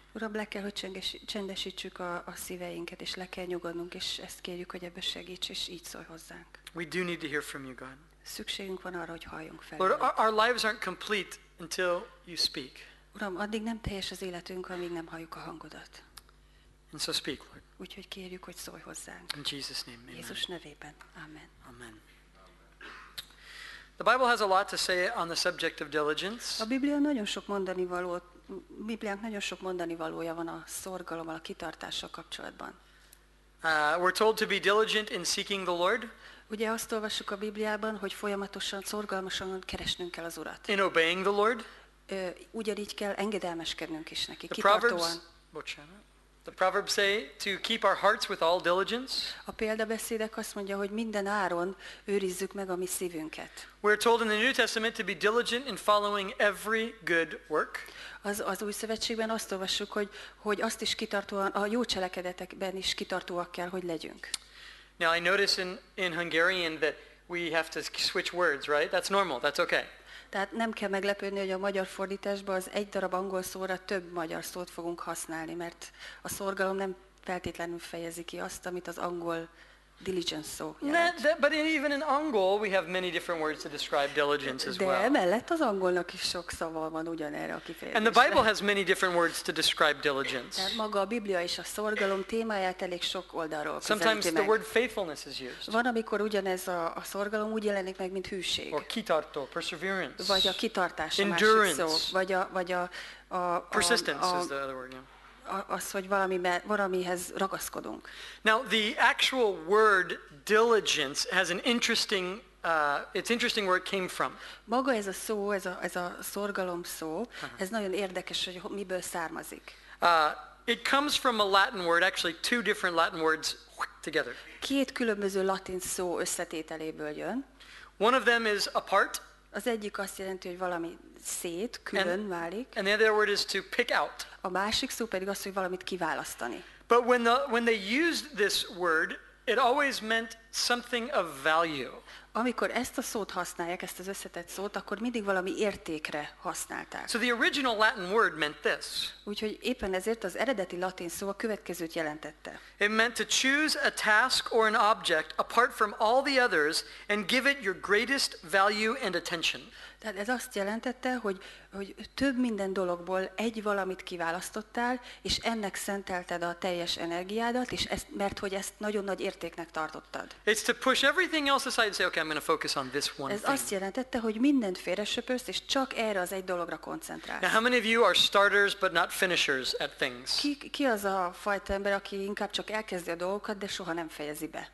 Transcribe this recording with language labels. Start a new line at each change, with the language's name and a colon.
Hungarian: Uram, le kell, hogy csendesítsük a szíveinket, és le kell nyugodnunk, és ezt kérjük, hogy ebbe segíts, és így szólj hozzánk.
English: We do need to hear from you, God.
Hungarian: Szükségünk van arra, hogy halljunk fel.
English: Lord, our lives aren't complete until you speak.
Hungarian: Uram, addig nem teljes az életünk, amíg nem halljuk a hangodat.
English: And so speak, Lord.
Hungarian: Úgyhogy kérjük, hogy szólj hozzánk.
English: In Jesus name, amen.
Hungarian: Jézus nevében. Amen. Amen.
English: The Bible has a lot to say on the subject of diligence.
Hungarian: A Biblia nagyon sok mondani valót, Bibliánk nagyon sok mondani valója van a szorgalommal, a kitartással kapcsolatban.
English: We're told to be diligent in seeking the Lord.
Hungarian: Ugye azt olvassuk a Bibliában, hogy folyamatosan, szorgalmasan keresnünk kell az Urat.
English: In obeying the Lord.
Hungarian: Ugyanígy kell engedelmeskednünk is neki, kitartóan.
English: The Proverbs say to keep our hearts with all diligence.
Hungarian: A példabeszédek azt mondja, hogy minden áron őrizzük meg a mi szívünket.
English: We're told in the New Testament to be diligent in following every good work.
Hungarian: Az Új Szövetségben azt olvassuk, hogy azt is kitartóan, a jó cselekedetekben is kitartóak kell, hogy legyünk.
English: Now I notice in Hungarian that we have to switch words, right? That's normal, that's okay.
Hungarian: Tehát nem kell meglepődni, hogy a magyar fordításban az egy darab angol szóra több magyar szót fogunk használni, mert a szorgalom nem feltétlenül fejezi ki azt, amit az angol diligence szó jelent.
English: But even in
Hungarian: angol
English: we have many different words to describe diligence as well.
Hungarian: De emellett az angolnak is sok szava van ugyanerre a kifejezésre.
English: And the Bible has many different words to describe diligence.
Hungarian: Tehát maga a Biblia is a szorgalom témáját elég sok oldalról közelíti meg.
English: Sometimes the word faithfulness is used.
Hungarian: Van, amikor ugyanez a szorgalom úgy jelenik meg, mint hűség.
English: Or
Hungarian: kitartó,
English: perseverance.
Hungarian: Vagy a kitartás,
English: endurance.
Hungarian: A másik szó. Vagy a
English: persistence is the other word, yeah.
Hungarian: Az, hogy valamihez ragaszkodunk.
English: Now the actual word diligence has an interesting it's interesting where it came from.
Hungarian: Maga ez a szó, ez a szorgalom szó, ez nagyon érdekes, hogy miből származik.
English: It comes from a Latin word, actually two different Latin words together.
Hungarian: Két különböző latin szó összetételéből jön.
English: One of them is apart.
Hungarian: Az egyik azt jelenti, hogy valami szét, külön válik.
English: And the other word is to pick out.
Hungarian: A másik szó pedig az, hogy valamit kiválasztani.
English: But when they used this word, it always meant something of value.
Hungarian: Amikor ezt a szót használják, ezt az összetett szót, akkor mindig valami értékre használták.
English: So the original Latin word meant this.
Hungarian: Úgyhogy éppen ezért az eredeti latin szó a következőt jelentette.
English: It meant to choose a task or an object apart from all the others and give it your greatest value and attention.
Hungarian: Tehát ez azt jelentette, hogy több minden dologból egy valamit kiválasztottál, és ennek szentelted a teljes energiádat, és ezt, mert hogy ezt nagyon nagy értéknek tartottad.
English: It's to push everything else aside and say, okay, I'm going to focus on this one thing.
Hungarian: Azt jelentette, hogy mindent félresöpörsz, és csak erre az egy dologra koncentrálsz.
English: Now, how many of you are starters but not finishers at things?
Hungarian: Ki az a fajta ember, aki inkább csak elkezdi a dolgokat, de soha nem fejezi be?